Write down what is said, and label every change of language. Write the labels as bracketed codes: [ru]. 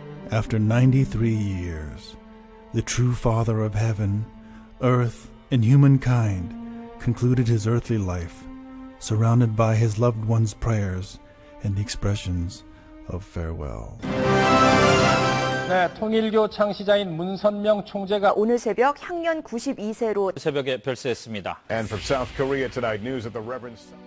[en] After 93 years, the true father of heaven, earth, and humankind concluded his earthly life, surrounded by his loved ones' prayers and expressions of farewell. [ko] 네, 통일교 창시자인 문선명 총재가 오늘 새벽 향년 92세로 새벽에 별세했습니다. [en] And from South Korea tonight, news of the Reverend.